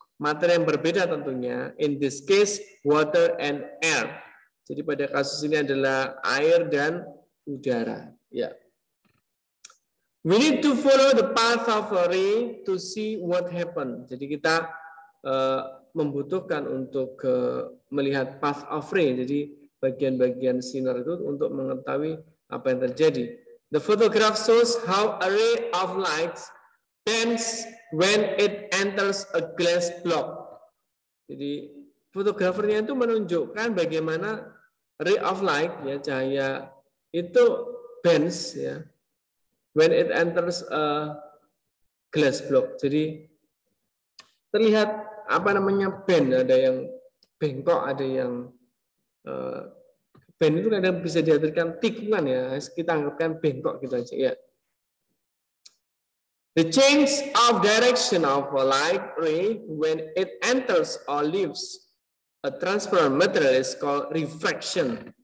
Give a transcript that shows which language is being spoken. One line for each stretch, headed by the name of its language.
Indonesian: materi yang berbeda tentunya.
English: In this case, water and air.
Indonesian: Jadi pada kasus ini adalah air dan udara. Ya.
English: We need to follow the path of a ray to see what happened.
Indonesian: Jadi kita membutuhkan untuk melihat
English: path of ray.
Indonesian: Jadi bagian-bagian sinar itu untuk mengetahui apa yang terjadi.
English: The photograph shows how a ray of light bends when it enters a glass block.
Indonesian: Jadi fotografernya itu menunjukkan bagaimana
English: ray of light,
Indonesian: ya, cahaya itu bends, ya,
English: when it enters a glass block.
Indonesian: Jadi terlihat apa namanya bend, ada yang bengkok, ada yang bend itu kadang bisa diartikan tikungan, ya, kita anggapkan bengkok gitu aja, ya.
English: The change of direction of a light ray when it enters or leaves a transparent material is called refraction.